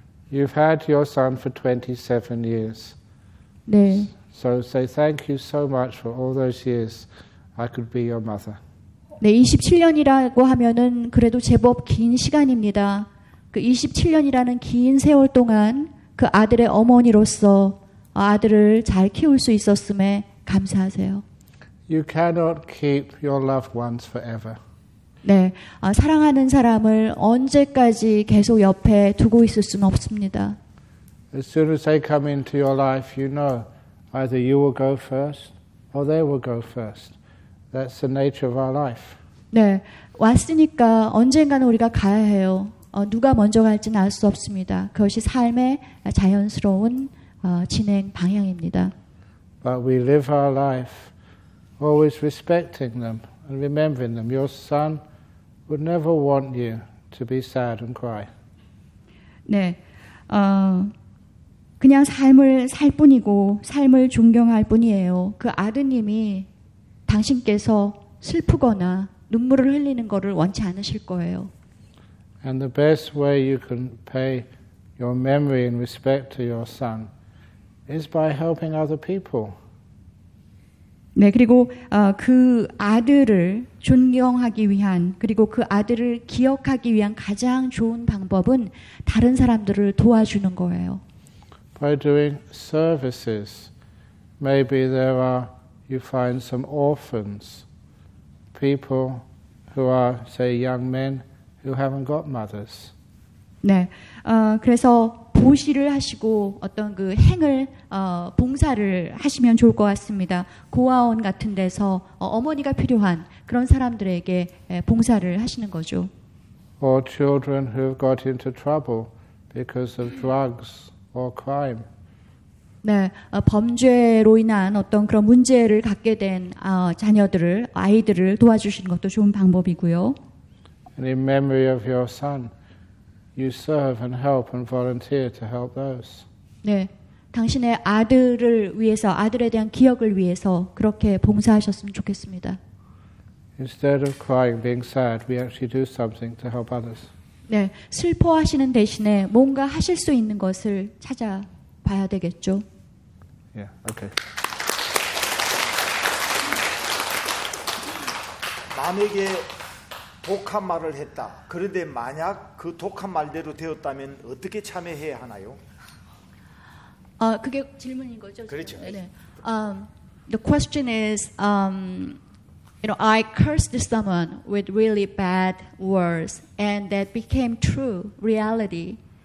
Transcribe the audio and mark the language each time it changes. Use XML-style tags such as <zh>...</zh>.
<en>You've had your son for 27 years.</en> <ko>네.</ko> <en>So say thank you so much for all those years. I could be your mother.</en> <ko>네, 27년이라고 하면은 그래도 제법 긴 시간입니다. 그 27년이라는 긴 세월 동안 그 아들의 어머니로서 아들을 잘 키울 수 있었음에 감사하세요.</ko> <en>You cannot keep your loved ones forever.</en> <ko>네, 사랑하는 사람을 언제까지 계속 옆에 두고 있을 수는 없습니다.</ko> <en>As soon as they come into your life, you know either you will go first or they will go first. That's the nature of our life.</en> <ko>네, 왔으니까 언젠가는 우리가 가야 해요. 누가 먼저 갈지는 알 수 없습니다. 그것이 삶의 자연스러운 진행 방향입니다.</ko> <en>But we live our life always respecting them and remembering them. Your son would never want you to be sad and cry.</en> <ko>네, 그냥 삶을 살 뿐이고 삶을 존경할 뿐이에요. 그 아드님이 당신께서 슬프거나 눈물을 흘리는 것을 원치 않으실 거예요.</ko> <en>And the best way you can pay your memory and respect to your son is by helping other people.</en> <ko>네, 그리고 그 아들을 존경하기 위한 그리고 그 아들을 기억하기 위한 가장 좋은 방법은 다른 사람들을 도와주는 거예요.</ko> <en>By doing services, maybe there are You find some orphans, people who are, say, young men who haven't got mothers.</en> <ko>네, 그래서 보시를 하시고 어떤 그 행을 봉사를 하시면 좋을 것 같습니다. 고아원 같은 데서 어머니가 필요한 그런 사람들에게 봉사를 하시는 거죠.</ko> <en>Or children who've got into trouble because of drugs or crime.</en> <ko>네, 범죄로 인한 어떤 그런 문제를 갖게 된 자녀들을, 아이들을 도와주시는 것도 좋은 방법이고요.</ko> <en>And in memory of your son, you serve and help and volunteer to help those.</en> <ko>네, 당신의 아들을 위해서 아들에 대한 기억을 위해서 그렇게 봉사하셨으면 좋겠습니다.</ko> <en>Instead of crying, being sad, we actually do something to help others.</en> <ko>네, 슬퍼하시는 대신에 뭔가 하실 수 있는 것을 찾아봐야 되겠죠.</ko> <en>Yeah, okay.</en> <ko>만약에 독한 말을 했다. 그런데 만약 그 독한 말대로 되었다면 어떻게 참회해야 하나요? 아, 그게 질문인 거죠. 그렇죠. 네.</ko> <en>The question is, you know, I cursed someone with really bad words, and that became true reality.</en>